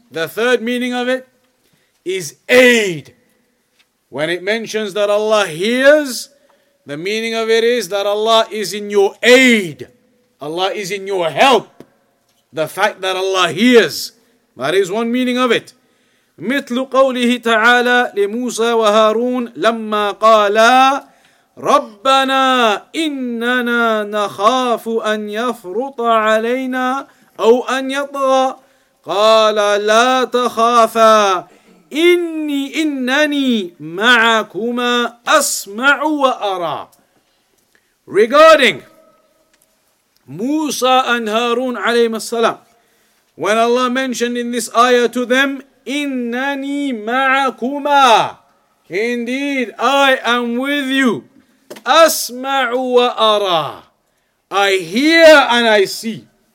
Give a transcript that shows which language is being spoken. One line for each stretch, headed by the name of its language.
English: The third meaning of it is aid. When it mentions that Allah hears, the meaning of it is that Allah is in your aid. Allah is in your help. The fact that Allah hears. That is one meaning of it.
Arabic: مثل قوله تعالى لموسى وهارون لما قالا ربنا إننا نخاف أن يفرط علينا أو أن يطغى قال لا تخافا إنني معكما أسمع وأرى.
English: Regarding Musa and Harun
Arabic: عليهما السلام,
English: when Allah mentioned in this ayah to them,
Arabic: إنني معكما,
English: indeed I am with you,
Arabic: أسمع وأرى,
English: I hear and I see.